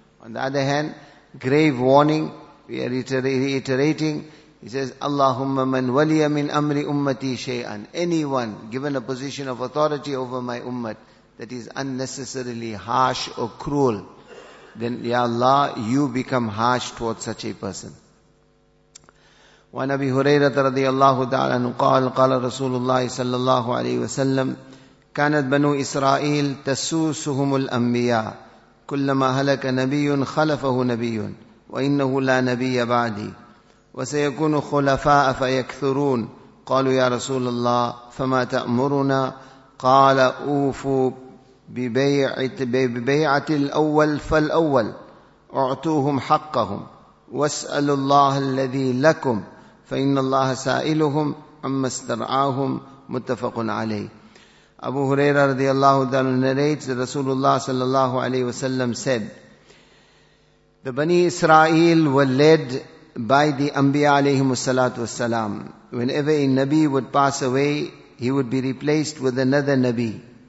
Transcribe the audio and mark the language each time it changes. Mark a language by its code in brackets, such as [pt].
[en] On the other hand, grave warning, we are reiterating, he says, [ar] Allahumma man waliya min amri ummati shay'an. [en] Anyone given a position of authority over my ummat that is unnecessarily harsh or cruel, then ya Allah, you become harsh towards such a person. [ar] وعن أبي هريرة رضي الله تعالى عنه قال قال رسول الله صلى الله عليه وسلم كانت بنو إسرائيل تسوسهم الأنبياء كلما هلك نبي خلفه نبي وإنه لا نبي بعدي وسيكون خلفاء فيكثرون قالوا يا رسول الله فما تأمرنا قال أوفوا ببيعة الأول فالأول أعطوهم حقهم واسألوا الله الذي لكم فَإِنَّ اللَّهَ سَائِلُهُمْ عَمَّا اسْتَرْعَاهُمْ مُتَّفَقٌ عَلَيْهِ. [en] Abu Huraira radiallahu ta'ala narrates that Rasulullah sallallahu alayhi wasallam said, the Bani Israel were led by the Anbiya alayhim salatu wasalam. Whenever a Nabi would pass away, he would be replaced with another Nabi.